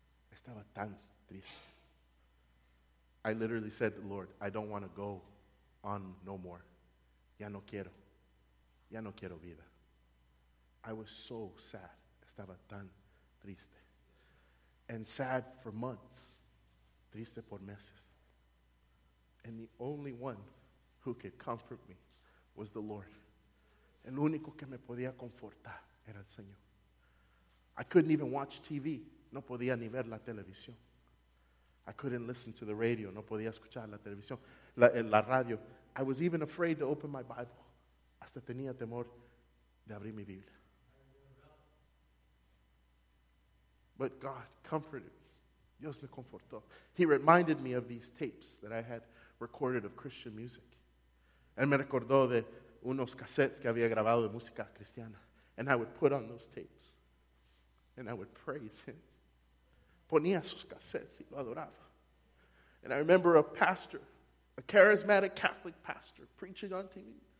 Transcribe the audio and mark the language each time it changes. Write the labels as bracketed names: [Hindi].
[Spanish] Estaba tan triste. [English] I literally said, Lord, I don't want to go on no more. [Spanish] Ya no quiero. Ya no quiero vida. [English] I was so sad. [Spanish] Estaba tan triste. [English] And sad for months. [Spanish] Triste por meses. [English] And the only one who could comfort me was the Lord. [Spanish] El único que me podía confortar era el Señor. [English] I couldn't even watch TV. [Spanish] No podía ni ver la televisión. [English] I couldn't listen to the radio. No podía escuchar la televisión, la radio. I was even afraid to open my Bible. [Spanish] Hasta tenía temor de abrir mi Biblia. [English] But God comforted me. [Spanish] Dios me confortó. [English] He reminded me of these tapes that I had recorded of Christian music. [Spanish] Él me recordó de unos cassettes que había grabado de música cristiana. [English] And I would put on those tapes. And I would praise Him. [Spanish] Ponía sus cassettes y lo adoraba. [English] And I remember a pastor, a charismatic Catholic pastor, preaching on TV.